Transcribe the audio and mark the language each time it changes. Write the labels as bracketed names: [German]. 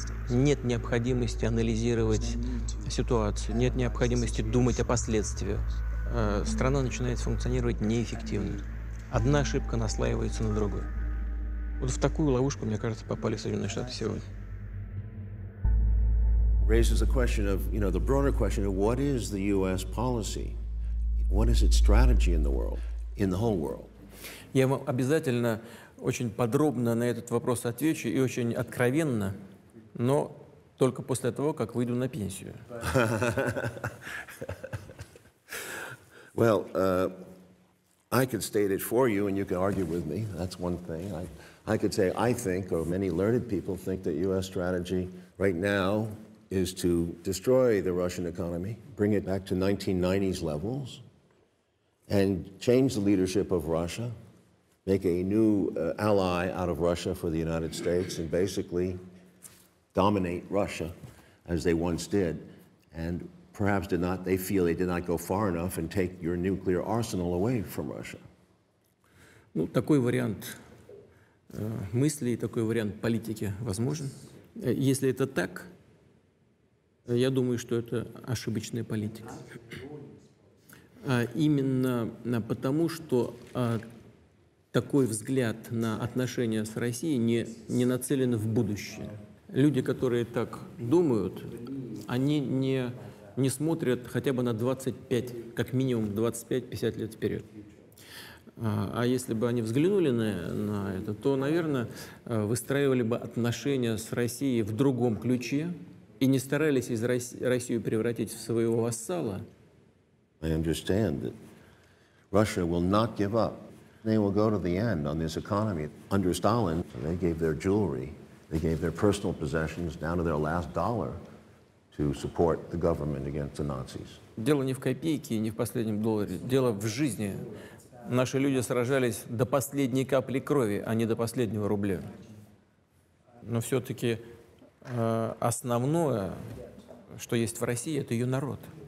[Russian] Нет необходимости анализировать ситуацию, нет необходимости думать о последствиях. Страна начинает функционировать неэффективно. Одна ошибка наслаивается на другую. Вот в такую ловушку, мне кажется, попали Соединенные Штаты сегодня. [English] Raises a question of, the broader question of what is the U.S. policy? What is its strategy in the world, in the whole world? [Russian] Я вам обязательно очень подробно на этот вопрос отвечу и очень откровенно, но Только после того, как выйду на пенсию. [English] Well, I could state it for you and you could argue with me. That's one thing. I could say I think, or many learned people think, that U.S. strategy right now is to destroy the Russian economy, bring it back to 1990s levels, and change the leadership of Russia, make a new ally out of Russia for the United States, and basically dominate Russia as they once did. And perhaps they feel they did not go far enough and take your nuclear arsenal away from Russia. [Russian] Ну, такой вариант мысли и такой вариант политики возможен. Если это так, я думаю, что это ошибочная политика. Именно потому, что такой взгляд на отношения с Россией не нацелен в будущее. Люди, которые так думают, они не смотрят хотя бы на 25, как минимум 25-50 лет вперед. А если бы они взглянули на это, то, наверное, выстраивали бы отношения с Россией в другом ключе и не старались Россию превратить в своего вассала. [English] I understand that Russia will not give up. They will go to the end on this economy. Under Stalin, they gave their jewelry, they gave their personal possessions down to their last dollar to support the government against the Nazis. [Russian] Дело не в копейке, не в последнем долларе. Дело в жизни. Наши люди сражались до последней капли крови, а не до последнего рубля. Но все-таки основное, что есть в России, это ее народ.